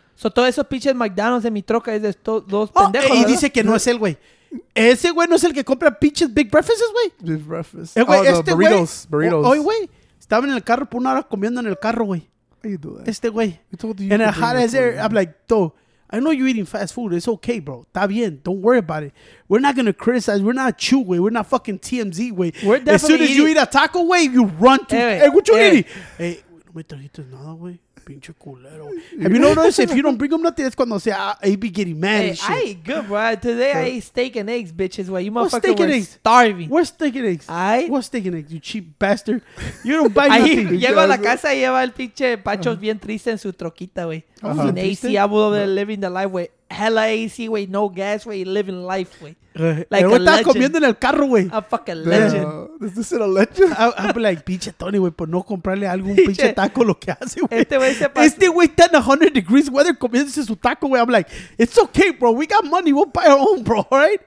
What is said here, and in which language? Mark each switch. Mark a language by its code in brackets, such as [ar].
[es] So, todo eso pinche McDonald's en mi troca es de estos dos pendejos. Y dice que no es él, güey. Ese güey no es el que compra pinches Big Breakfasts, güey. Big Breakfasts. Burritos. Hoy, güey, estaban en el carro por una hora comiendo en el carro, güey. Este güey. [en] En el hot as air, I'm like, dude, I know you're eating fast food. It's okay, bro. [es] Está bien. [en] Don't worry about it. We're not going to criticize. We're not chew, güey. We're not fucking TMZ, güey. As soon as you eat a taco, güey, you run to... [es] Hey, no me trajiste nada, güey. Pinche culero. [en] Have you noticed if you don't bring them nothing, that's cuando say I be getting mad and shit. I ain't good, bro. Today I ate steak and eggs, bitches. Why you motherfucker was starving. What's steak and eggs? What's steak and eggs, you cheap bastard? You don't buy nothing. [es] Ahí llego a la casa y lleva el pinche Pancho bien triste en su troquita, güey. [en] Sin AC, I would have been living the life, güey. Hella AC, güey. No gas, güey. Living life, güey. Like a legend. [es] Estaba comiendo en el carro, güey. [en] A fucking legend. Is this a legend? [es] I'm like, pinche Tony, güey, por no comprarle algún pinche taco lo que hace, güey. Este güey se [en] pasa. [es] Este güey está en 100 degrees weather comiéndose su taco, güey. [en] I'm like, it's okay, bro. We got money. We'll buy our own, bro. All right?